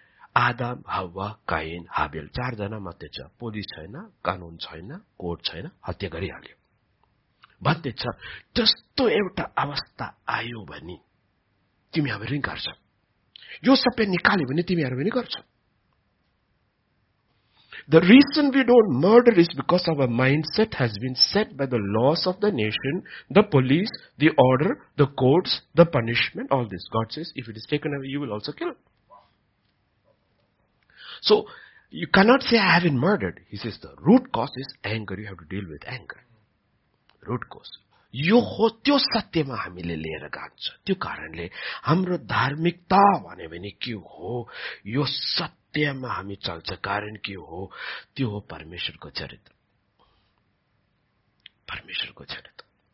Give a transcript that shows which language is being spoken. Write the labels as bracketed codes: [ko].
[ne] आदम, हव्वा, काइन, हाबिल चारजना मात्रै छ, पुलिस छैन, कानुन छैन, कोर्ट छैन, हत्या गरिहाल्यो भन्दैछ। जस्तो एउटा अवस्था आयो भने तिमीहरू पनि गर्छ, यो सबै निकाल्यो भने तिमीहरू पनि गर्छ। [en] The reason we don't murder is because our mindset has been set by the laws of the nation, the police, the order, the courts, the punishment, all this. God says, if it is taken away, you will also kill. So, you cannot say, I haven't murdered. He says, the root cause is anger. You have to deal with anger. Root cause. [ne] यो हो त्यो सत्यमा हामीले लिएर गान्छ। त्यो कारणले हाम्रो धार्मिकता भने के हो, यो सत्यमा हामी चल्छ। कारण के हो, त्यो हो परमेश्वरको चरित्र, परमेश्वरको चरित्र।